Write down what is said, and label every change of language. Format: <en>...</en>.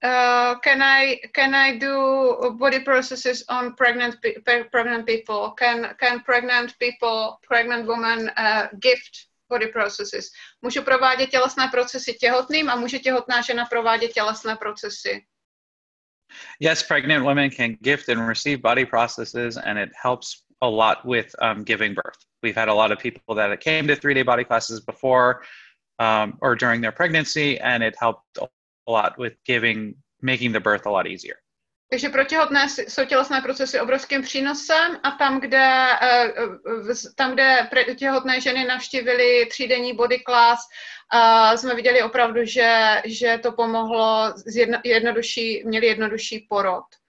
<en>Can I do body processes on pregnant people? Can pregnant people, pregnant woman, gift body processes.</en> <cs>Můžu provádět tělesné procesy těhotným a může těhotná žena provádět tělesné procesy?</cs> <en>Yes, pregnant women can gift and receive body processes and it helps a lot with giving birth. We've had a lot of people that came to three-day body classes before or during their pregnancy and it helped a lot with giving, making the birth a lot easier.</en> <cs>Takže pro těhotné jsou tělesné procesy obrovským přínosem a tam, kde těhotné ženy navštívily třídenní body class, jsme viděli opravdu, že to pomohlo, měli jednodušší porod.</cs>